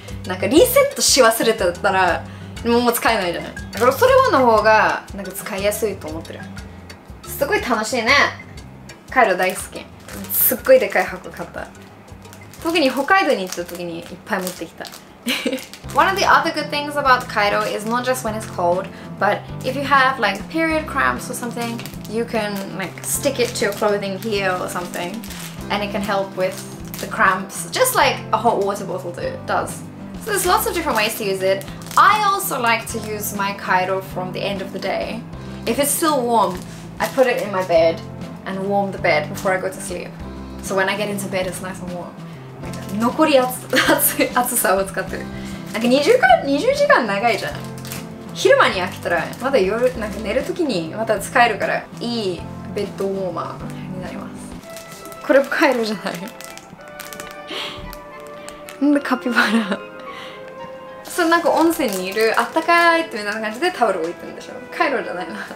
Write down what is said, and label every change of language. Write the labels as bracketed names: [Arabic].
[Japanese] なんか、リセットし忘れてたら、もう使えないじゃない。だから、それはの方が、なんか、使いやすいと思ってる。すごい楽しいね。カイロ大好き。すっごいでかい箱買った。特に北海道に行った時にいっぱい持ってきた。 [English] One of the other good things about kairo is not just when it's cold, but if you have like period cramps or something, you can like stick it to your clothing here or something, and it can help with the cramps, just like a hot water bottle does. So there's lots of different ways to use it. I also like to use my kairo from the end of the day. If it's still warm, I put it in my bed and warm the bed before I go to sleep. So when I get into bed, it's nice and warm. [Japanese] 残り暑さを使ってる。なんか20時間長いじゃん。昼間に飽きたら、まだ夜、なんか寝るときにまた使えるから、いいベッドウォーマーになります。これもカイロじゃない? なんでカピバラ。そのなんか温泉にいる、あったかいってみたいな感じでタオル置いてるんでしょ。カイロじゃないな。